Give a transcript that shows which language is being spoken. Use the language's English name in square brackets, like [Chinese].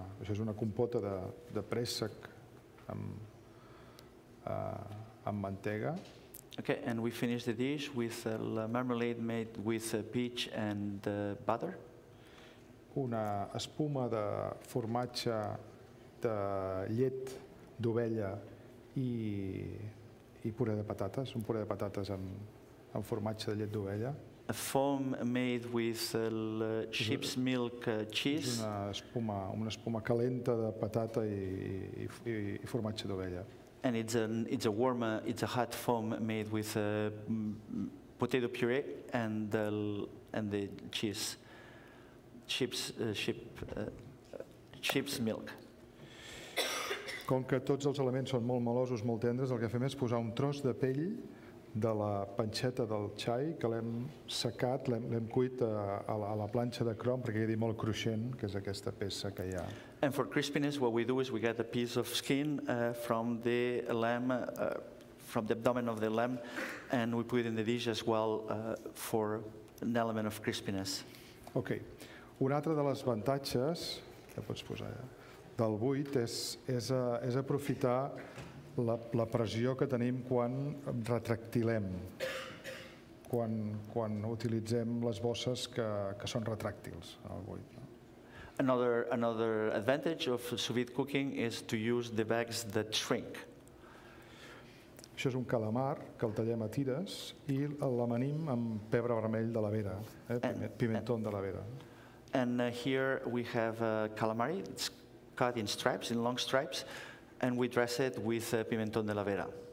[Catalan] Això és una compota de préssec amb mantega. [English] Okay, and we finish the dish with a marmalade made with peach and butter. [Catalan] Una espuma de formatge de llet d'ovella i puré de patates, un puré de patates amb formatge de llet d'ovella. [English] A foam made with sheep's milk cheese. [Catalan] Una espuma calenta de patata i formatge d'ovella. [English] And it's a hot foam made with potato puree and the cheese, sheep's milk. [Catalan] Com que tots els elements són molt melosos, molt tendres, el que fem és posar un tros de pell de la panxeta del xai que l'hem secat, l'hem cuit a la planxa de crom perquè quedi molt cruixent, que és aquesta peça que hi ha. [English] And for crispiness, what we do is we get a piece of skin from the lamb, from the abdomen of the lamb, and we put it in the dish as well for an element of crispiness. Okay. [Catalan] Un altre de les avantatges que pots posar allà, del buit és aprofitar la pressió que tenim quan retractilem, quan utilitzem les bosses que són retràctils en el buit. [English] Another advantage of sous vide cooking is to use the bags that shrink. [Catalan] Això és un calamar que el tallem a tires i l'amanim amb pebre vermell de la vera, pimentón de la vera. [English] And here we have calamari. It's cut in stripes, in long stripes, and we dress it with pimenton de la Vera.